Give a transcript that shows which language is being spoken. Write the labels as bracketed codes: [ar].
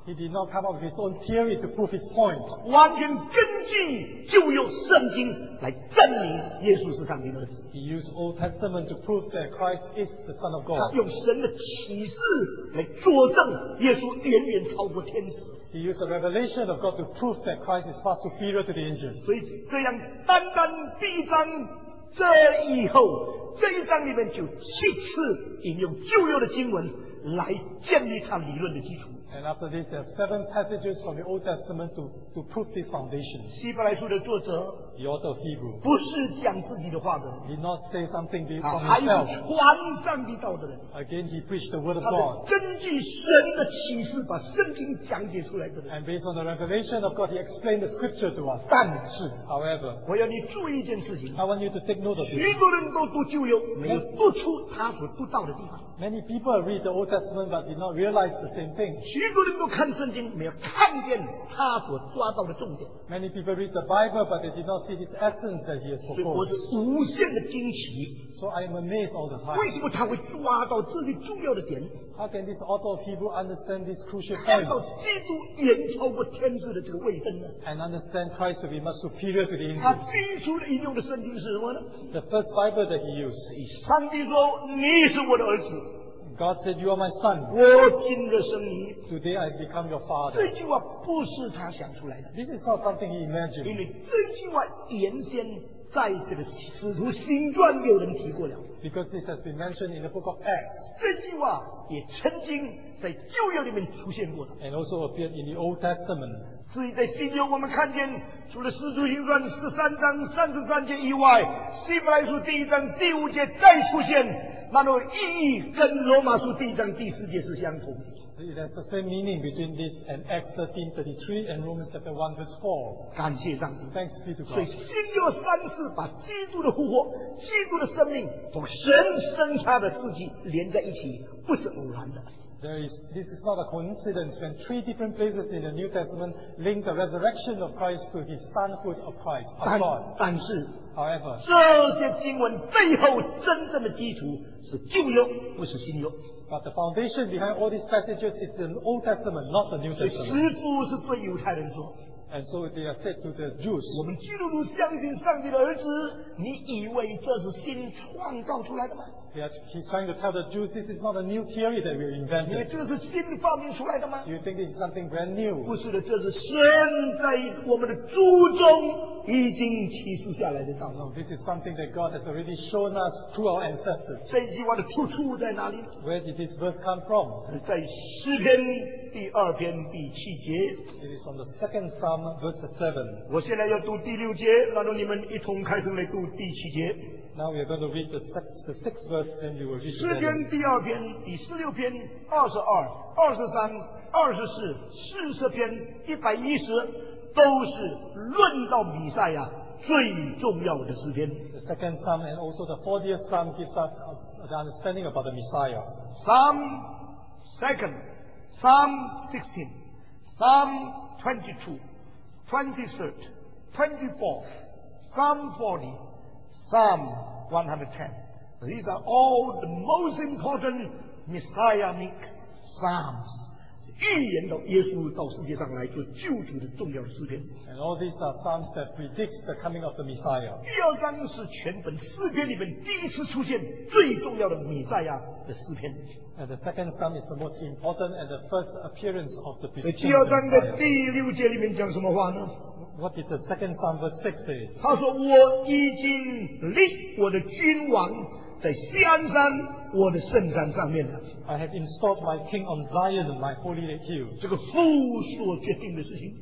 [en] He did not come up with his own theory to prove his point. [zh] 完全根据旧约圣经来证明耶稣是上帝的儿子。 [en] He used Old Testament to prove that Christ is the Son of God. [zh] 他用神的启示来佐证耶稣远远超过天使。 [en] He used the revelation of God to prove that Christ is far superior to the angels. [zh] 所以这样单单第一章这以后这一章里面就七次引用旧约的经文来建立他理论的基础。 [en] And after this, there are seven passages from the Old Testament to prove this foundation. [zh] 希伯来书的作者 [en] The author of Hebrew [zh] 不是讲自己的话的 [en] did not say something from himself. [zh] 还有传上帝道的人 [en] Again, he preached the word of God. [zh] 他根据神的启示把圣经讲解出来的人 [en] And based on the revelation of God, he explained the scripture to us. [zh] 但是 [en] However, [zh] 我要你注意一件事情 [en] I want you to take note of this. [zh] 许多人都读旧约没有读出他所读到的地方 [en] Many people read the Old Testament but did not realize the same thing. [zh] 许多人都看圣经，没有看见他所抓到的重点。 [en] Many people read the Bible, but they did not see this essence that he has proposed. [zh] 所以我是无限的惊奇。 [en] So I am amazed all the time. [zh] 为什么他会抓到这些重要的点 [en] ？How can this author of Hebrew understand this crucial point? [zh] 看到基督远超过天使的这个位分呢 [en] ？And understand Christ to be much superior to the angels. [zh] 他清楚的引用的圣经是什么呢 [en] ？The first Bible that he used. [zh] 上帝说：“你是我的儿子。” [en] God said, "You are my son." [zh] 我今日生你。 [en] Today I become your father. [zh] 这句话不是他想出来的。 [en] This is not something he imagined. [zh] 因为这句话原先在这个使徒行传有人提过了。 [en] Because this has been mentioned in the book of Acts. [zh] 这句话也曾经在旧约里面出现过的。 [en] And also appeared in the Old Testament. [zh] 至于在新约，我们看见除了使徒行传十三章三十三节以外，希伯来书第一章第五节再出现。那么意义跟罗马书第一章第四节是相同。 [en] It has the same meaning between this and Acts 13:33 and Romans chapter 1 verse 4. [zh] 感谢上帝。 [en] Thanks be to God. [zh] 所以新约三次把基督的复活、基督的生命和神生他的事迹连在一起，不是偶然的。 [en] This is not a coincidence when three different places in the New Testament link the resurrection of Christ to his sonhood of Christ, of God. [zh] 但是 [en] However, [zh] 这些经文背后真正的基础是旧约，不是新约。 [en] But the foundation behind all these passages is the Old Testament, not the New Testament. [zh] 使徒是对犹太人说。 [en] And so they are said to the Jews. [zh] 我们基督徒相信上帝的儿子，你以为这是新创造出来的吗？ [en] He's trying to tell the Jews this is not a new theory that we invented. [zh] 因为这是新发明出来的吗 [en] ？You think this is something brand new? [zh] 不是的，这是现在我们的祖宗已经启示下来的道。 [en] No, this is something that God has already shown us through our ancestors. [zh] 这句话的出处在哪里 [en] ？Where did this verse come from? [zh] 在诗篇第二篇第七节。 [en] It is from the second Psalm, verse 7. [zh] 我现在要读第六节，然后你们一同开始来读第七节。 [en] Now we are going to read the sixth verse, then you will read it. [zh] 诗篇第二篇第十六篇二十二、二十三、二十四、四十篇一百一十，都是论到弥赛亚最重要的诗篇。 [en] The second psalm and also the 40th psalm gives us the understanding about the Messiah. Psalm second, Psalm 16, Psalm 22, 23rd, 24th, Psalm 40. Psalm 110. These are all the most important messianic psalms. [zh] 预言到耶稣到世界上来做救主的重要的诗篇。 [en] And all these are psalms that predicts the coming of the Messiah. [zh] 第二章是全本诗篇里面第一次出现最重要的弥赛亚的诗篇。 [en] And the second psalm is the most important and the first appearance of the Messiah. [zh] 第二章的第六节里面讲什么话呢？ [en] What did the second Psalm verse 6 say? [zh] 他说我已经立我的君王在锡安山我的圣山上面了。 [en] I have installed my king on Zion, my holy hill. [zh] 这个父所决定的事情。